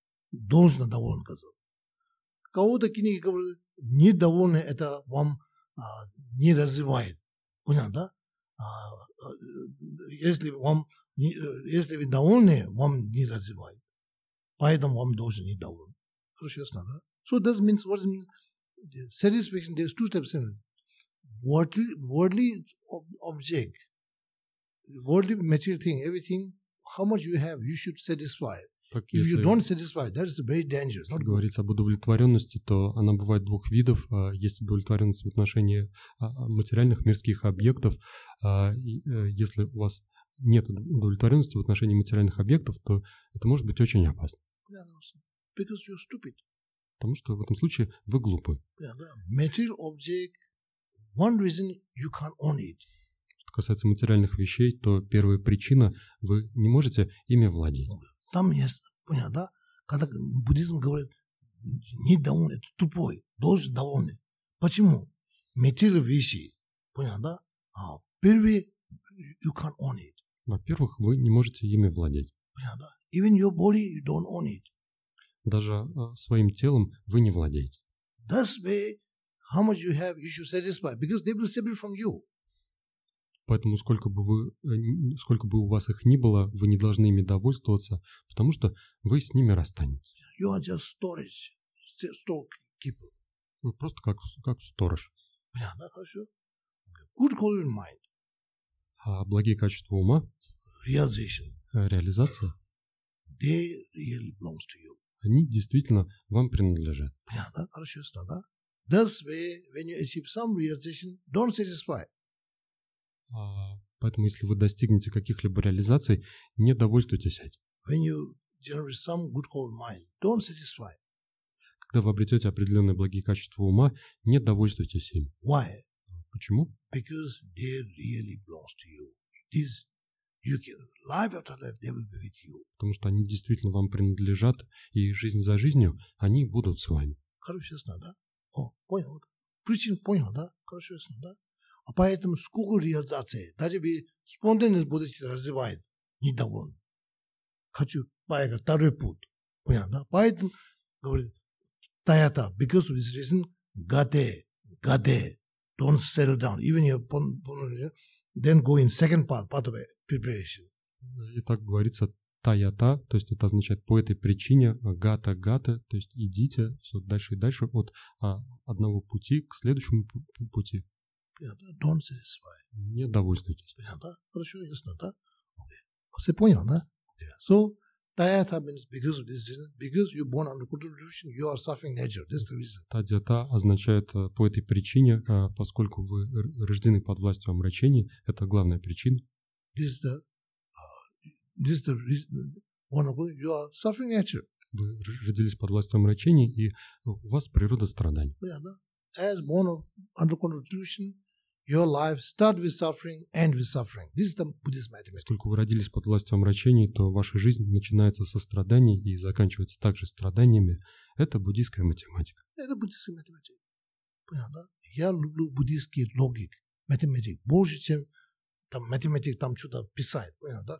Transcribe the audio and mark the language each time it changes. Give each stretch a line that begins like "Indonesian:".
Russian: Должно доволен, сказал. Кого-то книги говорят, недовольны это вам не развивает. Понятно, да? Если вы довольны, вам не развивает. Поэтому вам должен недоволен. Хорошо, ясно, да?
English: So that means, what does it mean? Satisfaction, there's two steps in it. Worldly object, worldly material thing, everything, how much you have, you should satisfy it.
Russian: Так,
English: if you don't satisfy, that is very dangerous.
Russian: Если говорить об удовлетворенности, то она бывает двух видов. Есть удовлетворенность в отношении материальных мирских объектов. Если у вас нет удовлетворенности в отношении материальных объектов, то это может быть очень опасно.
English: Because you're stupid.
Russian: Потому что в этом случае вы глупы.
English: Material object, one reason you can't own it.
Russian: Что касается материальных вещей, то первая причина – вы не можете ими владеть. Там есть, понял, да? Когда буддизм говорит, недоволен, это тупой, должен доволен. Почему? Материальные вещи, понял, да? А первые,
English: you can't own it.
Russian: Во-первых, вы не можете ими владеть. Понял, да?
English: Even your body, you don't own it.
Russian: Даже своим телом вы не владеете.
English: That's why, how much you have, you should satisfy, because they will separate from you.
Russian: Поэтому сколько бы у вас их ни было, вы не должны ими довольствоваться, потому что вы с ними расстанетесь.
English: You are just storage, storekeeper.
Russian: Вы просто как сторож. Понятно, хорошо.
English: Good quality of mind.
Russian: А благие качества ума?
English: Realization.
Russian: Реализация?
English: They really belongs to you.
Russian: Они действительно вам принадлежат. Понятно, хорошо, ясно, да?
English: That's why when you achieve some realization, don't satisfy.
Russian: Поэтому, если вы достигнете каких-либо реализаций, не довольствуйтесь этим.
English: When you generate some good quality mind, don't satisfy.
Russian: Когда вы обретете определенные благие качества ума, не довольствуйтесь им.
English: Why?
Russian: Почему?
English: Because they really belong to you. This you can life after life they will be with you.
Russian: Потому что они действительно вам принадлежат, и жизнь за жизнью они будут с вами. Хорошо, ясно, да? О, понял. Причин понял, да? Хорошо, ясно, да? А поэтому сколько реализации, даже бы спонтанно будете развивать, недоволен. Хочу поехать второй путь. Понятно, да? Поэтому, говорит, Таята,
English: because of this reason,
Russian: гаде,
English: don't settle down. Even if you're then go in second part of preparation.
Russian: И так говорится Таята, то есть это означает по этой причине, гата, то есть идите все дальше и дальше от одного пути к следующему пути.
English: Don't satisfy.
Russian: Не довольствуйтесь. Понятно, да? Хорошо, ясно, да? Окей. Okay. Все понял, да? Окей.
English: Okay. So, Таята means because of this reason, because you're born under contribution, you are suffering nature. That's the reason.
Russian: Таята означает по этой причине, поскольку вы рождены под властью омрачений, это главная причина.
English: This is the reason, you are suffering nature.
Russian: Вы родились под властью омрачений, и у вас природа страданий. Понятно, да?
English: as born of unconditioned delusion, your life start with suffering, end with suffering. This is the Buddhist mathematics.
Russian: Поскольку вы родились под властью омрачений, то ваша жизнь начинается со страданий и заканчивается также страданиями. Это буддийская математика. Это буддийская математика. Понятно, да? Я люблю буддийский логик, математик. Больше, чем там математик там что-то писает. Понятно, да?